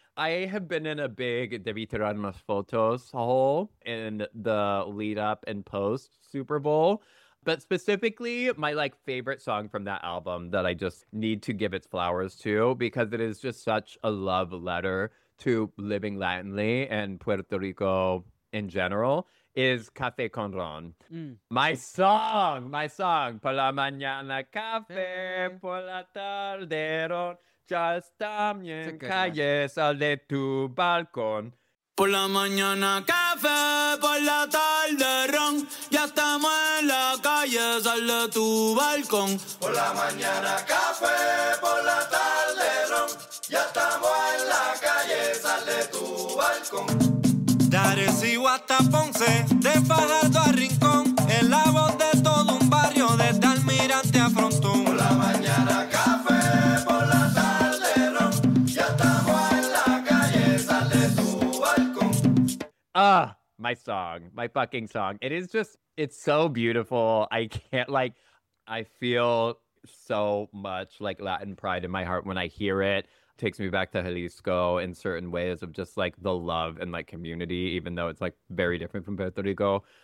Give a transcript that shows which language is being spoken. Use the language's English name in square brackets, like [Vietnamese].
[English] I have been in a big Debí Tirar Más Fotos hole in the lead up and post Super Bowl. But specifically, my like favorite song from that album that I just need to give its flowers to, because it is just such a love letter to living Latinly and Puerto Rico in general, is Café con Ron. Mm. My song. [Spanish] Por la mañana café, por la tarde ron. Just también calle sal de tu balcón. Por la mañana café, por la tarde ron. Ya estamos en la calle, sal de tu balcón. Por la mañana café, por la tarde ron. Ya estamos en la calle, sal de tu balcón. De Arecibo hasta Ponce, de Fajardo a Rincón. Es la voz de todo un barrio, desde Almirante a Frontón. Por la mañana café, por la tarde ron. Ya estamos en la calle, sal de tu balcón. [English] Ah. My song, my fucking song. It is just, it's so beautiful. I can't, like, I feel so much like Latin pride in my heart when I hear it. It takes me back to Jalisco in certain ways of just like the love and like community, even though it's like very different from Puerto Rico.